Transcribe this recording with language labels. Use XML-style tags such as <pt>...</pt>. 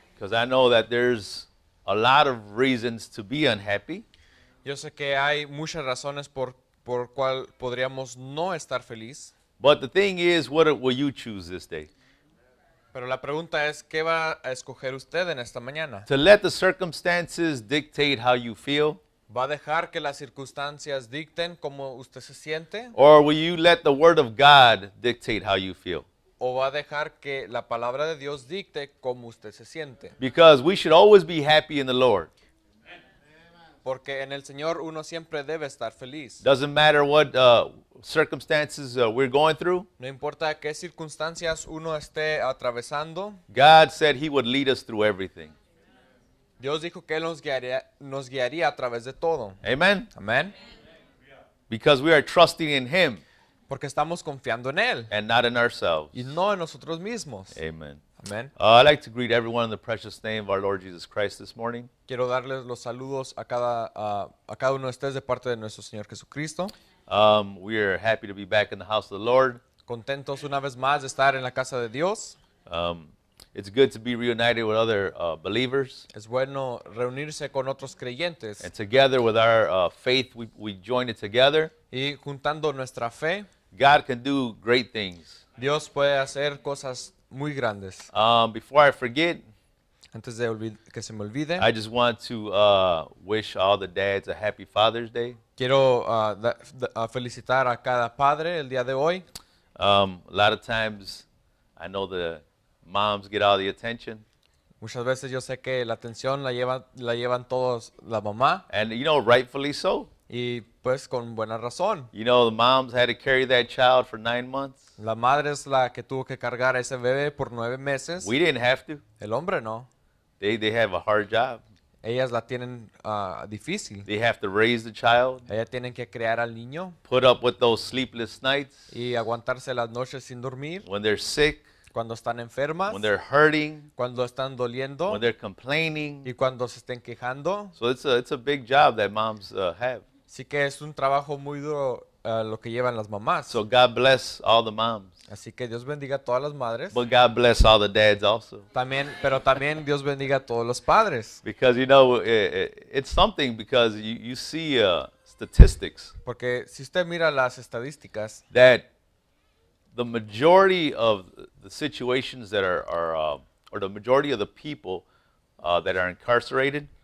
<en>Because I know that there's a lot of reasons to be unhappy.</en> <es>Yo sé que hay muchas razones por cual podríamos no estar feliz.</es> <en>But the thing is, what will you choose this day?</en> <es>Pero la pregunta es, ¿qué va a escoger usted en esta mañana?</es> <en>To let the circumstances dictate how you feel.</en> <es>¿Va a dejar que las circunstancias dicten cómo usted se siente?</es> <en>Or will you let the word of God dictate how you feel?</en> <es>¿O va a dejar que la palabra de Dios dicte cómo usted se siente?</es> <en>Because we should always be happy in the Lord.</en> <es>Porque en el Señor uno siempre debe estar feliz.</es> <en>Doesn't matter what circumstances we're going through.</en> <es>No importa qué circunstancias uno esté atravesando.</es> <en>God said he would lead us through everything.</en> <es>Dios dijo que él nos guiaría a través de todo.</es> <en>Amen.</en> <es>Amen.</es> <en>Because we are trusting in him.</en> <es>Porque estamos confiando en él.</es> <en>And not in ourselves.</en> <es>Y no en nosotros mismos.</es> <en>Amen.</en> <es>Amen.</es> <en>I'd like to greet everyone in the precious name of our Lord Jesus Christ this morning.</en> <es>Quiero darles los saludos a cada uno de ustedes de parte de nuestro Señor Jesucristo.</es> <en>We are happy to be back in the house of the Lord.</en> <es>Contentos una vez más de estar en la casa de Dios.</es> <en>It's good to be reunited with other believers.</en> <es>Es bueno reunirse con otros creyentes.</es> <en>And together with our faith, we join it together.</en> <es>Y juntando nuestra fe.</es> <en>God can do great things.</en> <es>Dios puede hacer cosas muy grandes.</es> <en>Before I forget,</en> <es>antes de que se me olvide,</es> <en>I just want to wish all the dads a happy Father's Day.</en> <es>Quiero felicitar a cada padre el día de hoy.</es> <en>A lot of times, I know the moms get all the attention.</en> <es>Muchas veces yo sé que la atención la llevan todos la mamá.</es> <en>And you know, rightfully so.</en> <es>Y pues con buena razón.</es> <en>You know, the moms had to carry that child for 9 months.</en> <es>La madre es la que tuvo que cargar a ese bebé por 9 meses.</es> <en>We didn't have to.</en> <es>El hombre no.</es> <en>They have a hard job.</en> <es>Ellas la tienen difícil.</es> <en>They have to raise the child.</en> <es>Ellas tienen que criar al niño.</es> <en>Put up with those sleepless nights.</en> <es>Y aguantarse las noches sin dormir.</es> <en>When they're sick.</en> <es>Cuando están enfermas.</es> <en>When they're hurting.</en> <es>Cuando están doliendo.</es> <en>When they're complaining.</en> <es>Y cuando se estén quejando.</es> <en>So it's a big job that moms have.</en> <es>Así que es un trabajo muy duro lo que llevan las mamás.</es> <en>So God bless all the moms.</en> <es>Así que Dios bendiga a todas las madres.</es> <en>But God bless all the dads also.</en> <es>También, pero también Dios bendiga a todos los padres.</es> <en>Because you know, it's something because you see statistics.</en> <es>Porque si usted mira las estadísticas.</es> <en>That the majority of the situations that are the majority of the people that are incarcerated.</en>